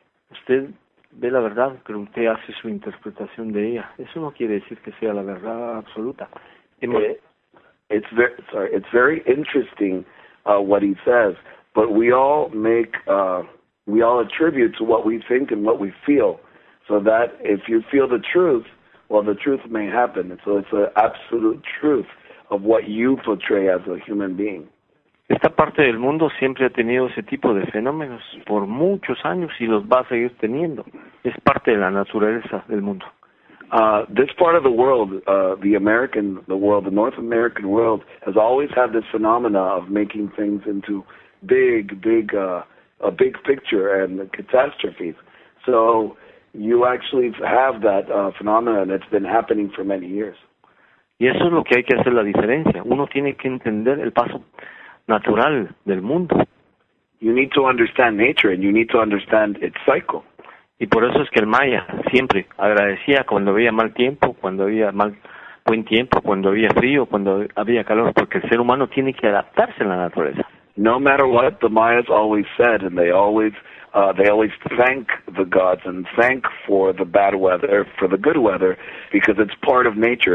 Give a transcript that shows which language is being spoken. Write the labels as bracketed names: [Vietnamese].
[Spanish] Usted ve la verdad, pero usted hace su interpretación de ella. Eso no quiere decir que sea la verdad absoluta. [English] It's very interesting what he says, but we all make we all attribute to what we think and what we feel. So that if you feel the truth, well, the truth may happen. So it's an absolute truth of what you portray as a human being. [Spanish] Esta parte del mundo siempre ha tenido ese tipo de fenómenos por muchos años y los va a seguir teniendo. Es parte de la naturaleza del mundo. [English] This part of the world, the North American world, has always had this phenomena of making things into a big picture and catastrophes. So you actually have that phenomena that's been happening for many years. [Spanish] Y eso es lo que hay que hacer la diferencia. Uno tiene que entender el paso natural del mundo. [English] You need to understand nature and you need to understand its cycle. [Spanish] Y por eso es que el maya siempre agradecía cuando había mal tiempo, cuando había buen tiempo, cuando había frío, cuando había calor, porque el ser humano tiene que adaptarse a la naturaleza. [English] No matter what, the Mayas always said, and they always thank the gods and thank for the bad weather, for the good weather, because it's part of nature.